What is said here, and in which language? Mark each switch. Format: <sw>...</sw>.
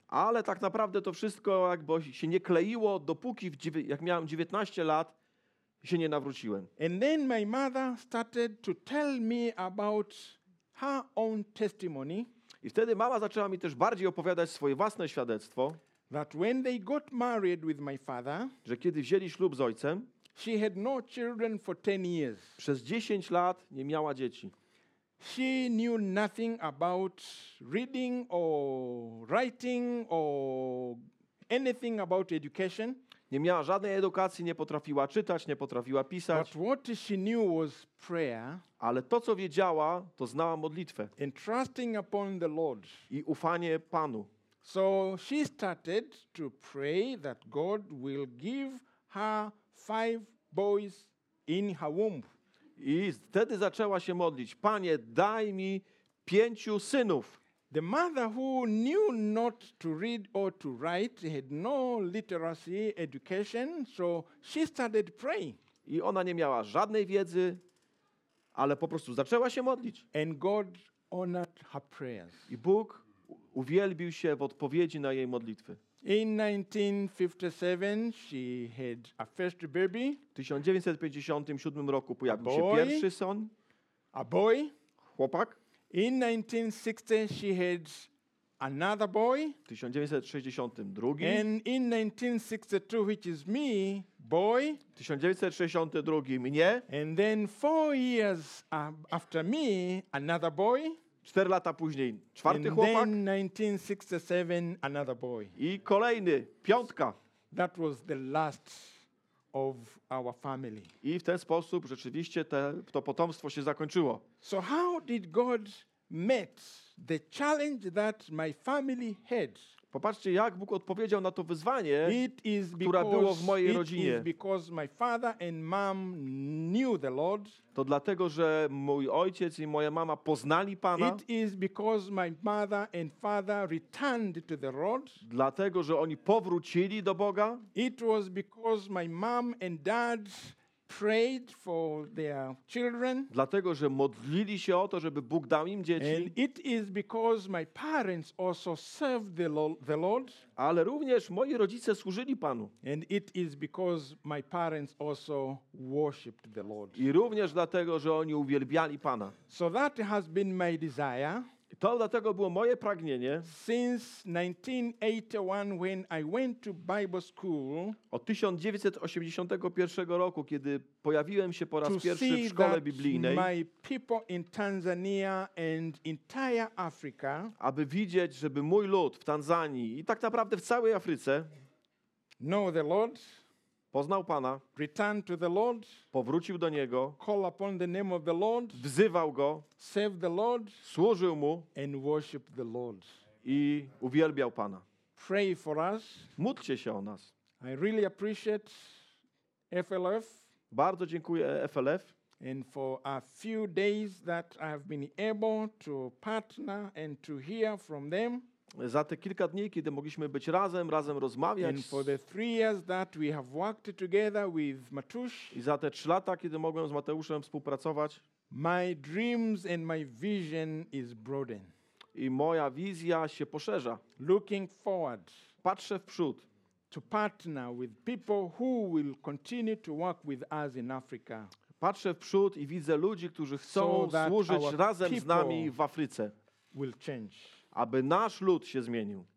<pl>Ale tak naprawdę to wszystko jakby się nie kleiło, dopóki jak miałem 19 lat, się nie nawróciłem.</pl> <en>And then my mother started to tell me about her own testimony.</en> <pl>I wtedy mama zaczęła mi też bardziej opowiadać swoje własne świadectwo,</pl> <en>that when they got married with my father,</en> <pl>że kiedy wzięli ślub z ojcem,</pl> <en>she had no children for 10 years.</en> <pl>Przez 10 lat nie miała dzieci.</pl> <en>She knew nothing about reading or writing or anything about education.</en> <pl>Nie miała żadnej edukacji, nie potrafiła czytać, nie potrafiła pisać.</pl> <en>But what she knew was prayer.</en> <pl>Ale to, co wiedziała, to znała modlitwę.</pl> <en>And trusting upon the Lord.</en> <pl>I ufanie Panu.</pl> <en>So she started to pray that God will give her 5 boys in her womb.</en> <pl>I wtedy zaczęła się modlić: Panie, daj mi 5 synów.</pl> <en>The mother who knew not to read or to write had no literacy education, so she started praying.</en> <pl>I ona nie miała żadnej wiedzy, ale po prostu zaczęła się modlić.</pl> <en>And God honored her prayers.</en> <pl>I Bóg uwielbił się w odpowiedzi na jej modlitwy.</pl> <en>In 1957 she had a first baby.</en> <pl>W 1957 roku pojawił się pierwszy syn.</pl> <en>A boy.</en> <pl>Chłopak.</pl> <en>In 1960 she had another boy.</en> <pl>W 1962.</pl> <en>And in 1962, which is me, boy.</en> <pl>1962 mnie.</pl> <en>And then 4 years after me, another boy.</en> <pl>4 lata później, czwarty</pl> <en>and</en> <pl>chłopak.</pl> <en>Then 1967, another boy.</en> <pl>I kolejny, piątka.</pl> <en>That was the last of our family.</en> <pl>I w ten sposób rzeczywiście to potomstwo się zakończyło.</pl> <en>So how did God meet the challenge that my family had?</en> <pl>Popatrzcie, jak Bóg odpowiedział na to wyzwanie, które było w mojej rodzinie.</pl> <en>It is because my father and mom knew the Lord.</en> <pl>To dlatego, że mój ojciec i moja mama poznali Pana.</pl> <en>It is because my mother and father returned to the Lord.</en> <pl>Dlatego, że oni powrócili do Boga.</pl> <en>It was because my mom and dad prayed for their children.</en> <pl>Dlatego, że modlili się o to, żeby Bóg dał im dzieci.</pl> <en>And it is because my parents also served the Lord.</en> <pl>Ale również moi rodzice służyli Panu.</pl> <en>And it is because my parents also worshiped the Lord.</en> <pl>I również dlatego, że oni uwielbiali Pana.</pl> <en>So that has been my desire.</en> <pl>To dlatego było moje pragnienie.</pl> <en>Since 1981, when I went to Bible school,</en> <pl>od 1981 roku, kiedy pojawiłem się po raz pierwszy w szkole biblijnej,</pl> <en>my people in Tanzania and entire Africa,</en> <pl>aby widzieć, żeby mój lud w Tanzanii i tak naprawdę w całej Afryce</pl> <en>know the Lord,</en> <pl>poznał Pana,</pl> <en>returned to the Lord,</en> <pl>powrócił do Niego,</pl> <en>call upon the name of the Lord,</en> <pl>wzywał Go,</pl> <en>served the Lord,</en> <pl>służył Mu</pl> <en>and worshiped the Lord.</en> <pl>I uwielbiał Pana.</pl> <en>Pray for us.</en> <pl>Módlcie się o nas.</pl> <en>I really appreciate FLF.</en> <pl>Bardzo dziękuję FLF.</pl> <en>And for a few days that I have been able to partner and to hear from them.</en> <pl>Za te kilka dni, kiedy mogliśmy być razem rozmawiać.</pl> <en>And for the 3 years that we have worked together with Matusz.</en> <pl>I za te 3 lata, kiedy mogłem z Mateuszem współpracować.</pl> <en>My dreams and my vision is broadened.</en> <pl>I moja wizja się poszerza.</pl> <en>Looking forward.</en> <pl>Patrzę w przód.</pl> <en>To partner with people who will continue to work with us in Africa.</en> <pl>Patrzę w przód i widzę ludzi, którzy chcą służyć razem z nami w Afryce.</pl> <en>Will change.</en> <pl>Aby nasz lud się zmienił.</pl>